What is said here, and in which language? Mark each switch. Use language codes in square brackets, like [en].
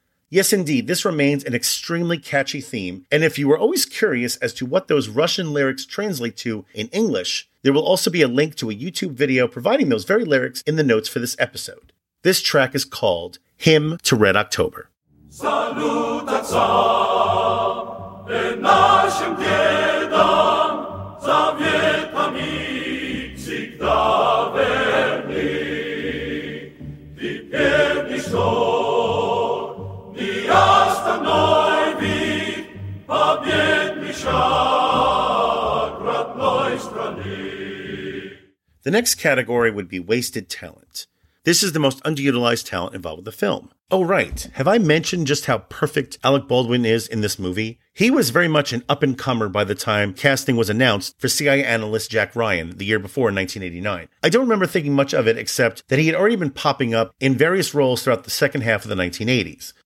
[en] Yes, indeed, this remains an extremely catchy theme, and if you were always curious as to what those Russian lyrics translate to in English, there will also be a link to a YouTube video providing those very lyrics in the notes for this episode. This track is called Hymn to Red October. [ru] Salut, отца, и нашим дедам, заветами всегда верны. Теперь ничто не остановит победный шаг родной страны. [en] The next category would be wasted talent. This is the most underutilized talent involved with the film. Oh, right. Have I mentioned just how perfect Alec Baldwin is in this movie? He was very much an up-and-comer by the time casting was announced for CIA analyst Jack Ryan the year before in 1989. I don't remember thinking much of it except that he had already been popping up in various roles throughout the second half of the 1980s.